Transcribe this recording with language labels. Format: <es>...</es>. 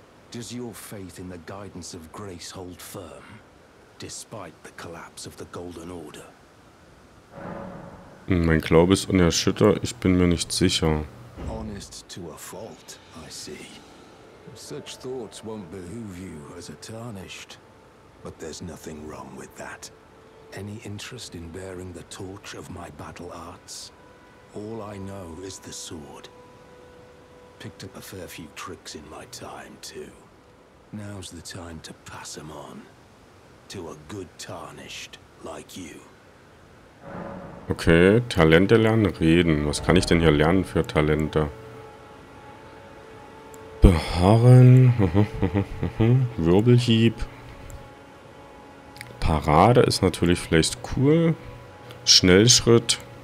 <en>Does your faith in the guidance of grace hold firm, despite the collapse of the Golden Order?</en> <de>Mein Glaube ist unerschütterlich, ich bin mir nicht sicher.</de> <en>Honest to a fault, I see. Such thoughts won't behoove you as a tarnished. But there's nothing wrong with that. Any interest in bearing the torch of my battle arts? All I know is the sword. Picked up a fair few tricks in my time, too. Now's the time to pass them on to a good tarnished like you.</en> <de>Okay, Talente lernen, reden. Was kann ich denn hier lernen für Talente? Beharren. Wirbelhieb. Parade ist natürlich vielleicht cool. Schnellschritt.</de>